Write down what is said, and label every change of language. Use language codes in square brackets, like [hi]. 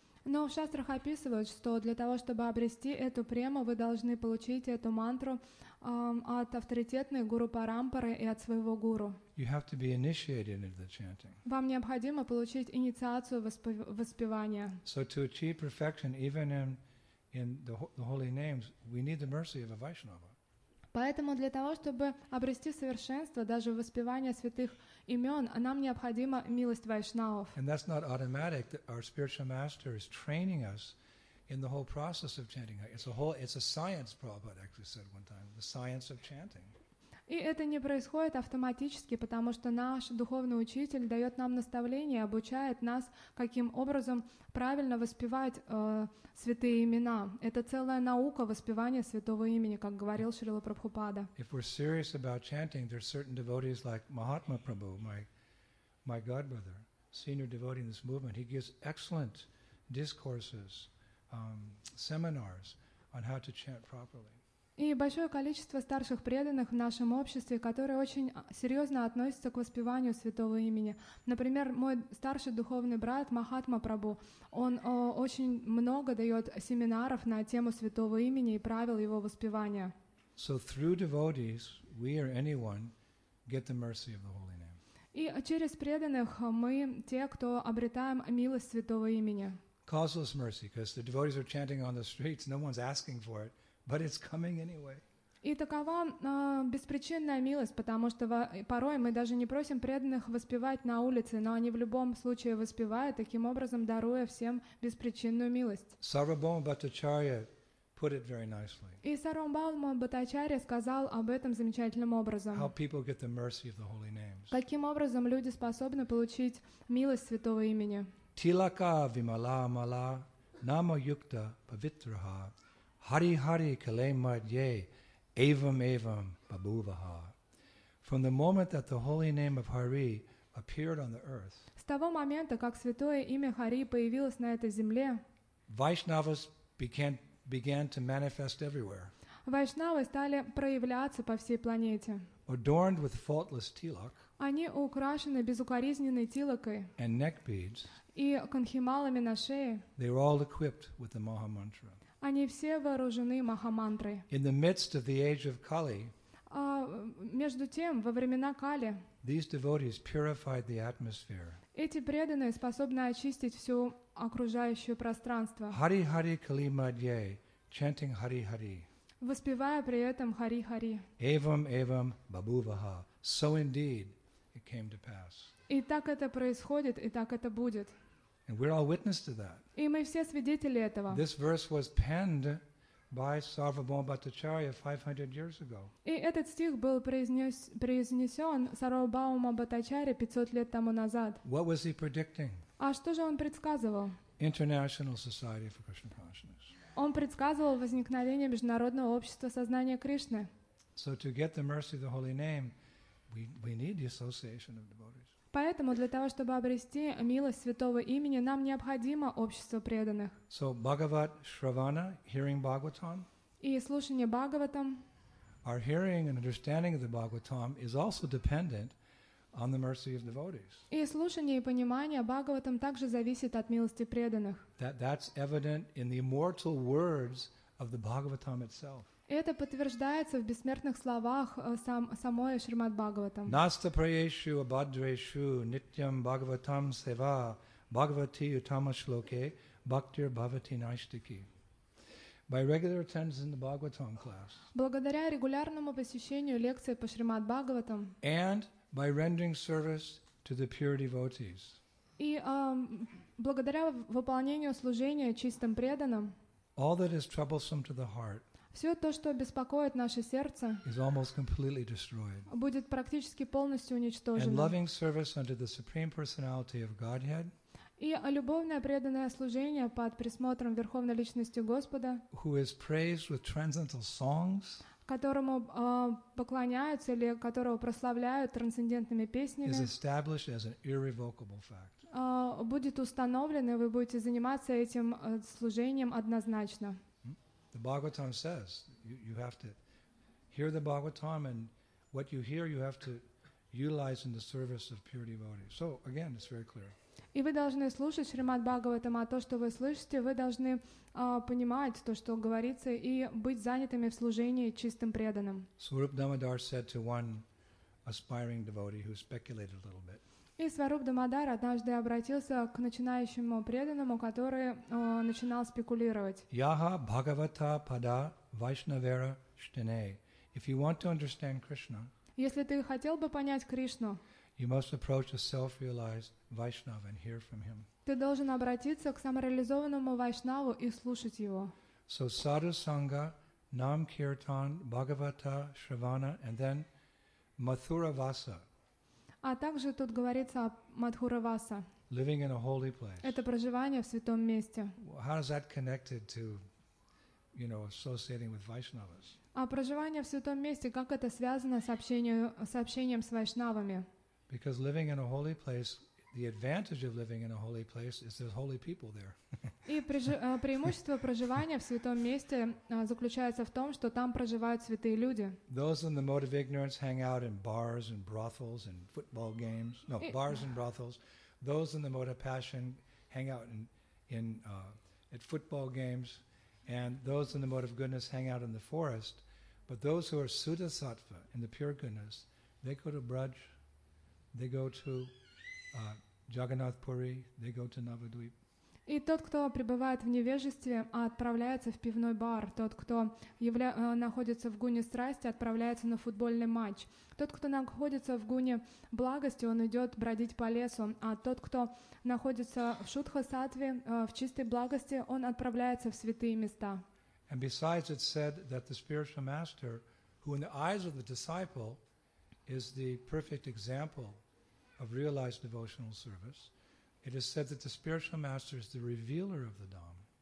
[ru] Но в шастрах описывают, что для того, чтобы обрести эту прему, вы должны получить эту мантру от авторитетной Гуру Парампары и от своего гуру. [en] You have to be initiated into the chanting. [ru] Вам необходимо получить инициацию воспевания. [en] So to achieve perfection, even in the holy names, we need the mercy of a Vaishnava. [ru] Поэтому для того, чтобы обрести совершенство даже в воспевании святых имен, нам необходима милость вайшнавов. [en] And that's not automatic. Our spiritual master is training us in the whole process of chanting. It's a science, Prabhupada actually said one time, the science of chanting. [ru] И это не происходит автоматически, потому что наш духовный учитель дает нам наставление, обучает нас, каким образом правильно воспевать святые имена. Это целая наука воспевания святого имени, как говорил Шрила Прабхупада. [en] If we're serious about chanting, there are certain devotees like Mahatma Prabhu, my godbrother, senior devotee in this movement. He gives excellent discourses, seminars on how to chant properly. [ru] И большое количество старших преданных в нашем обществе, которые очень серьезно относятся к воспеванию святого имени. Например, мой старший духовный брат Махатма Прабу, он очень много дает семинаров на тему святого имени и правил его воспевания. [en] So through devotees, we or anyone get the mercy of the Holy Name. [ru] И через преданных мы те, кто обретаем милость святого имени. [en] Causeless mercy, because the devotees are chanting on the streets, no one's asking for it. But it's coming anyway. [ru] И такова беспричинная милость, потому что порой мы даже не просим преданных воспевать на улице, но они в любом случае воспевают, таким образом даруя всем беспричинную милость. [en] Sarvabhauma Bhattacharya put it very nicely. [ru] И Сарвабхаума Бхаттачарья сказал об этом замечательным образом. [en] How people get the mercy of the holy names. [ru] Каким образом люди способны получить милость святого имени? [sa] Тилака вимала мала нама юкта павитраха. Hari Hari Kalemadye Evam Evam Babuvaha. [en] From the moment that the holy name of Hari appeared on the earth, [ru] с того момента, как святое имя Хари появилось на этой земле, [en] Vaishnavas began to manifest everywhere. [ru] Вайшнавы стали проявляться по всей планете. [en] Adorned with faultless tilak, [ru] они украшены безукоризненной тилакой, [en] and neck beads, [ru] и конхималами на шее, [en] they were all equipped with the Maha Mantra. [ru] Они все вооружены Махамантрой. [en] In the midst of the age of Kali, [ru] между тем, во времена Кали, [en] these devotees purified the atmosphere. [ru] Эти преданные способны очистить все окружающее пространство. [sa] Hari Hari Kali Madhye, [en] chanting Hari Hari. [ru] Воспевая при этом Hari Hari. [sa] Evam Evam Babuvaha. [en] So indeed, it came to pass. [ru] И так это происходит, и так это будет. [en] And we're all witness to that. [ru] И мы все свидетели этого. [en] This verse was penned by Sarvabhauma Bhattacharya 500 years ago. [ru] И этот стих был произнесен Сарвабхаума Бхаттачарья 500 лет тому назад. [en] What was he predicting? [ru] А что же он предсказывал? [en] International Society for Krishna Consciousness. [ru] Он предсказывал возникновение международного общества сознания Кришны. [en] So to get the mercy of the holy name, we need the association of devotees. [ru] Поэтому для того, чтобы обрести милость святого имени, нам необходимо общество преданных. [en] So, Bhagavat Shravana, hearing Bhagavatam, [ru] и слушание Бхагаватам. [en] Our hearing and understanding of the Bhagavatam is also dependent on the mercy of devotees. [ru] И слушание и понимание Бхагаватам также зависит от милости преданных. [en] That's evident in the immortal words of the Bhagavatam itself. [ru] Это подтверждается в бессмертных словах самой Шримад Бхагаватам. [sa] Наста прайешу абхадрешу нитьям Бхагаватам сева Бхагавати утама шлоке бхактир бхавати наштики. [en] By regular attendance in the Bhagavatam class. [ru] Благодаря регулярному посещению лекции по Шримад Бхагаватам. [en] And by rendering service to the pure devotees. [ru] И благодаря выполнению служения чистым преданным. [en] All that is troublesome to the heart. [ru] Все то, что беспокоит наше сердце, [en] is almost completely destroyed. [ru] Будет практически полностью уничтожено. [en] And loving service unto the Supreme Personality of Godhead. [ru] И любовное преданное служение под присмотром Верховной Личности Господа, [en] who is praised with transcendental songs, [ru] которому поклоняются или которого прославляют трансцендентными песнями, [en] is established as an irrevocable fact. [ru] Будет установлено, и вы будете заниматься этим служением однозначно. [en] The Bhagavatam says you have to hear the Bhagavatam, and what you hear you have to utilize in the service of pure devotees. So again, it's very clear. [ru] И вы должны слушать Шримад Бхагаватам, а то, что вы слышите, вы должны понимать то, что говорится, и быть занятыми в служении чистым преданным. [en] Swarup Damodar said to one aspiring devotee who speculated a little bit. [ru] И Сваруп Дамодар однажды обратился к начинающему преданному, который начинал спекулировать. [sa] Яха Бхагавата Пада Вайшнавера Штене. [en] If you want to understand Krishna, [ru] если ты хотел бы понять Кришну, [en] you must approach a self-realized Vaishnava and hear from him. [ru] Ты должен обратиться к самореализованному Вайшнаву и слушать его. [en] So Sadhu Sangha, Nam Kirtan, Bhagavata, Shravana, and then Mathura Vasa. [ru] А также тут говорится о Мадхура Васа. [en] Living in a holy place. [ru] Это проживание в святом месте. [en] How is that connected to, you know, associating with Vaishnavas? [ru] А проживание в святом месте, как это связано с общением с Вайшнавами? [en] Because living in a holy place, the advantage of living in a holy place is there's holy people there. [ru] И преимущество проживания в святом месте заключается в том, что там проживают святые люди. [en] Those in the mode of ignorance hang out in bars and brothels and football games. No, bars and brothels. Those in the mode of passion hang out at football games, and those in the mode of goodness hang out in the forest. But those who are sudasattva in the pure goodness, they go to Braj. They go to Jagannath Puri, they go to Navadvip. [ru] И тот, кто пребывает в невежестве, отправляется в пивной бар. Тот, кто находится в гуне страсти, отправляется на футбольный матч. Тот, кто находится в гуне благости, он идет бродить по лесу. А тот, кто находится в шудха-сатве, в чистой благости, он отправляется в святые места. [en] And besides, it's said that the spiritual master, who in the eyes of the disciple is the perfect example of realized devotional service. It is said that the spiritual master is the revealer of the Dhamma.